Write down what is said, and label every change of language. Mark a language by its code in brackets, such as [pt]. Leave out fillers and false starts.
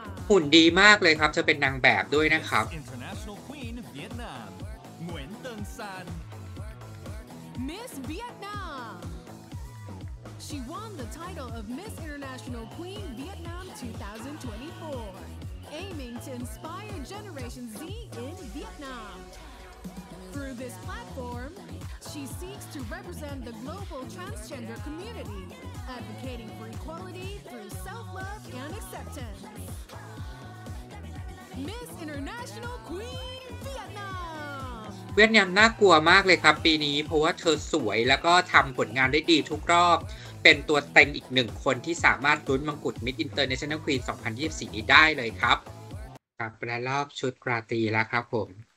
[th] หุ่นดีมากเลยครับจะเป็นนางแบบด้วยนะครับ [en] International Queen Vietnam Nguyen Tung San Miss Vietnam She won the title of Miss International Queen Vietnam 2024 aiming to inspire Generation Z in Vietnam Through this platform she seeks to represent the global transgender community advocating for equality through self-love and acceptanceMiss International Queen Vietnam [th] เวียดนามน่ากลัวมากเลยครับปีนี้เพราะว่าเธอสวยแล้วก็ทำผลงานได้ดีทุกรอบเป็นตัวเต็งอีกหนึ่งคนที่สามารถลุ้นมงกุฎ Miss International Queen 2024นี้ได้เลยครับครับและรอบชุดราตรีแล้วครับผม